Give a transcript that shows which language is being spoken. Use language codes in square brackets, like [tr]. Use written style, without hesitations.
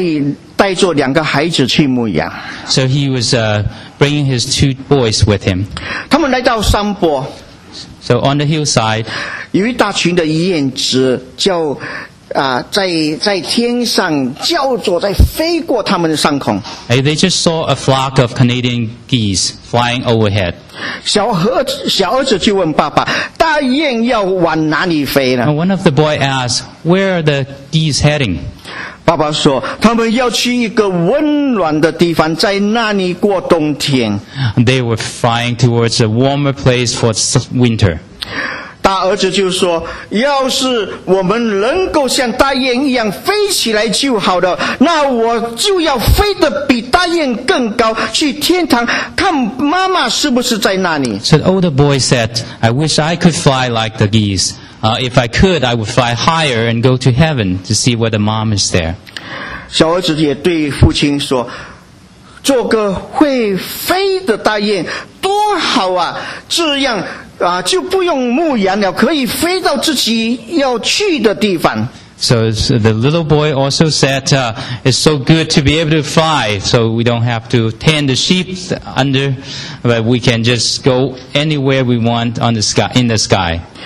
[zh] 他带着两个孩子去牧羊。 [en] So he was bringing his two boys with him. [zh] 他们来到山坡。 [en] So on the hillside, [zh] 有一大群的燕子叫, 在天上叫做在飞过他们的上空。 [en] They just saw a flock of Canadian geese flying overhead. [zh] 小儿子就问爸爸, 大雁要往哪里飞呢? [en] And one of the boys asked, where are the geese heading? [zh] 爸爸说, 他们要去一个温暖的地方, 在那里过冬天。 [en] They were flying towards a warmer place for winter. [zh] 大儿子就说, 要是我们能够像大雁一样飞起来就好了, 那我就要飞得比大雁更高, 去天堂, 看妈妈是不是在那里。 [en] So the older boy said, I wish I could fly like the geese. If I could, I would fly higher and go to heaven to see whether mom is there. [zh] 小儿子也对父亲说, 做个会飞的大雁多好啊, 这样, 就不用牧羊了, 可以飞到自己要去的地方。 [en] So the little boy also said, it's so good to be able to fly, so we don't have to tend the sheep under, but we can just go anywhere we want on the sky, in the sky.